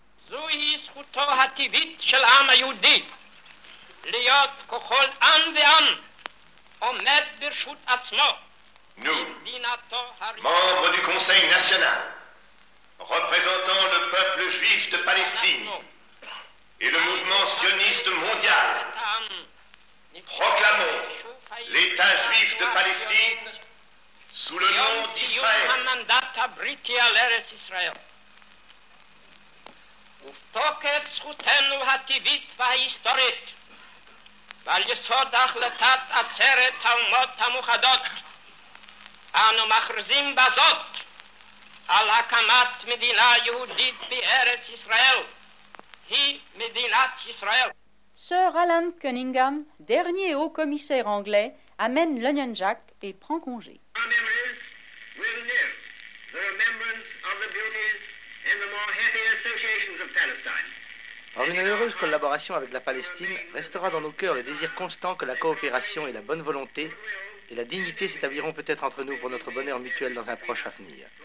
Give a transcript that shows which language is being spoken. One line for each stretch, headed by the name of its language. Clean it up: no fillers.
French: Nous, membres du Conseil national, représentant le peuple juif de Palestine et le mouvement sioniste mondial, proclamons l'État juif de Palestine sous le nom d'Israël.
Hebrew: ותוקף זכותנו הטבעית וההיסטורית ועל יסוד החלטת עצרת האומות המוחדות אנו מכריזים בזאת על הקמת מדינה יהודית בארץ ישראל היא מדינת ישראל.
French: Sir Alan Cunningham, dernier haut commissaire anglais, amène l'Union Jack et prend congé.
English: Our memories will live the remembrance of the beauties in the more happy associations of Palestine.
French: Dans une heureuse collaboration avec la Palestine, restera dans nos cœurs le désir constant que la coopération et la bonne volonté et la dignité s'établiront peut-être entre nous pour notre bonheur mutuel dans un proche avenir.